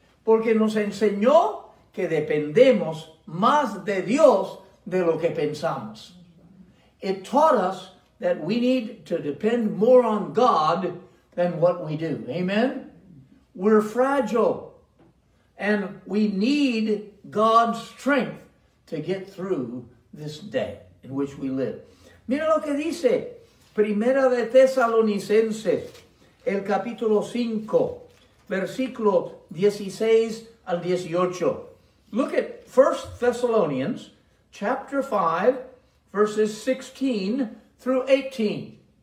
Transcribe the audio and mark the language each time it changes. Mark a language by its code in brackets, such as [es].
[es] Porque nos enseñó que dependemos más de Dios de lo que pensamos. [en] It taught us that we need to depend more on God than what we do. Amen? We're fragile. And we need God's strength to get through this day in which we live. [es] Mira lo que dice Primera de Tesalonicenses, el capítulo 5, versículo 16 al 18. [en] Look at 1 Thessalonians, chapter 5, verses 16 through 18.